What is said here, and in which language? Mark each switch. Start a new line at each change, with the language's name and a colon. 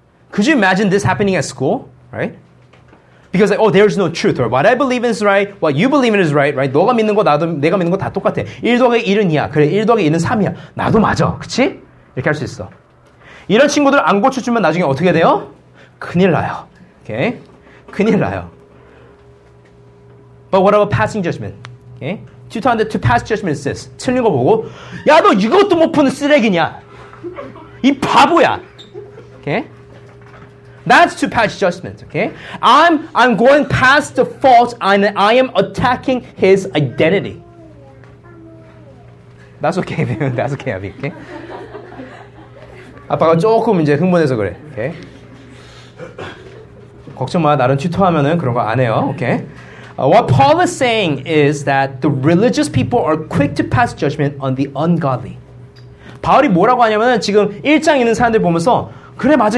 English: Could you imagine this happening at school, right? Because, like, oh, there's no truth, or what I believe in is right, what you believe in is right, right?
Korean: 너가 믿는 거, 나도, 내가 믿는 거 다 똑같아. 1 더하기 1은 2야. 그래, 1 더하기 2는 3이야. 나도 맞아, 그치? 이렇게 할 수 있어. 이런 친구들 안 고쳐주면 나중에 어떻게 돼요? 큰일 나요, okay? 큰일 나요.
English: But what about passing judgment, okay?
Korean: 튜터한테
English: to pass judgment says
Korean: 틀린 거 보고 야 너 이것도 못 푸는 쓰레기냐 이 바보야 okay?
English: That's to pass judgment okay? I'm going past the fault and I am attacking his identity. That's okay, baby. That's okay, baby. Okay?
Korean: 아빠가 조금 이제 흥분해서 그래.
English: Okay?
Korean: 걱정 마. 나름 튜터하면은 그런 거 안 해요.
English: Okay? What Paul is saying is that the religious people are quick to pass judgment on the ungodly.
Korean: 바울이 뭐라고 하냐면은 지금 1장 있는 사람들 보면서 그래 맞아.